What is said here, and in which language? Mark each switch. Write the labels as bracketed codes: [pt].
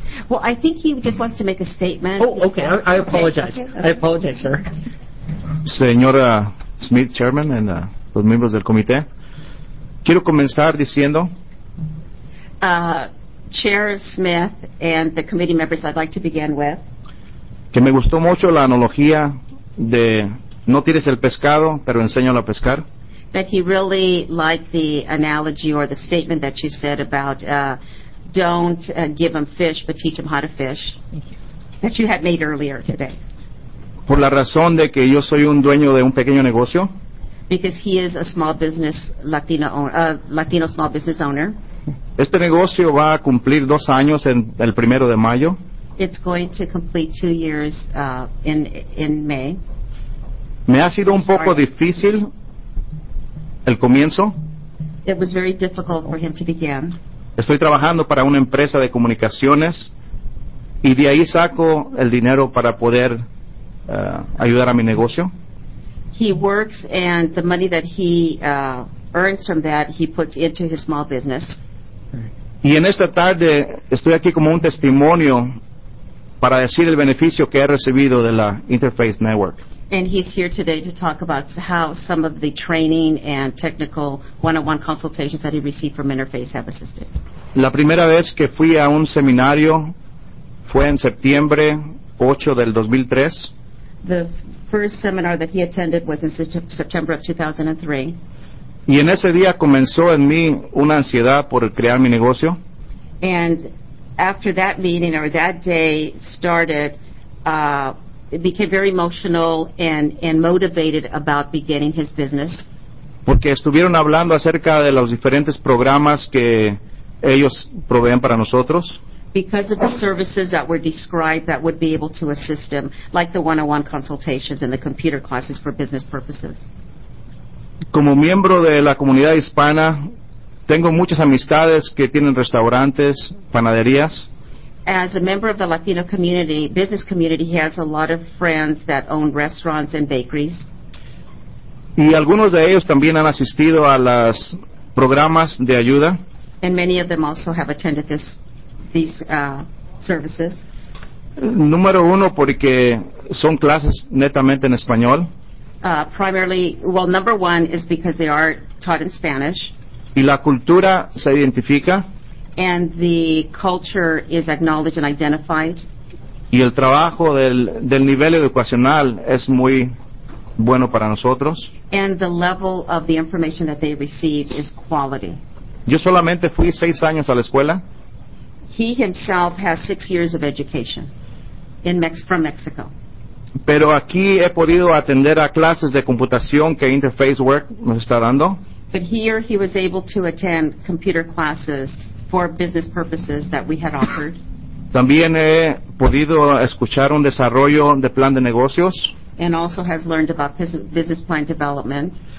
[en] Well, I think he just wants to make a statement. Oh, okay. I apologize. Okay. I apologize, sir. [es] Señora Smith, Chairman, and los miembros del comité, quiero comenzar diciendo... [en] Chair Smith and the committee members, I'd like to begin with... [es] Que me gustó mucho la analogía de no tires el pescado, pero enséñalo a pescar. [en] That he really liked the analogy or the statement that you said about... don't give them fish, but teach them how to fish. Thank you. That you had made earlier today. [es] Por la razón de que yo soy un dueño de un pequeño negocio. [en] Because he is a small business Latino small business owner. [es] Este negocio va a cumplir 2 años en el primero de mayo. [en] It's going to complete 2 years in May. [es] Me ha sido un poco difícil el comienzo. [en] It was very difficult for him to begin. [es] Estoy trabajando para una empresa de comunicaciones y de ahí saco el dinero para poder ayudar a mi negocio. [en] He works, and the money that he earns from that he puts into his small business. [es] Y en esta tarde estoy aquí como un testimonio para decir el beneficio que he recibido de la Interface Network. [en] And he's here today to talk about how some of the training and technical one-on-one consultations that he received from Interface have assisted. [es] La primera vez que fui a un seminario fue en septiembre 8 del 2003. [en] The first seminar that he attended was in September of 2003. [es] Y en ese día comenzó en mí una ansiedad por crear mi negocio. [en] And after that meeting, or that day started, it became very emotional and motivated about beginning his business. [es] Porque estuvieron hablando acerca de los diferentes programas que ellos proveen para nosotros. [en] Because of the services that were described that would be able to assist him, like the one-on-one consultations and the computer classes for business purposes. [es] Como miembro de la comunidad hispana, tengo muchas amistades que tienen restaurantes, panaderías. [en] As a member of the Latino community, business community, he has a lot of friends that own restaurants and bakeries. [es] Y algunos de ellos también han asistido a los programas de ayuda. [en] And many of them also have attended these services. [es] Número uno, porque son clases netamente en español. [en] Number one is because they are taught in Spanish. [es] Y la cultura se identifica. [en] And the culture is acknowledged and identified. [es] Y el trabajo del nivel educacional es muy bueno para nosotros. [en] And the level of the information that they receive is quality. [es] Yo solamente fui 6 años a la escuela. [en] He himself has 6 years of education from Mexico. [es] Pero aquí he podido atender a clases de computación que Interface Work nos está dando. [en] But here he was able to attend computer classes for business purposes that we had offered. [es] También he podido escuchar un desarrollo de plan de negocios. [en] And also has learned about business plan development.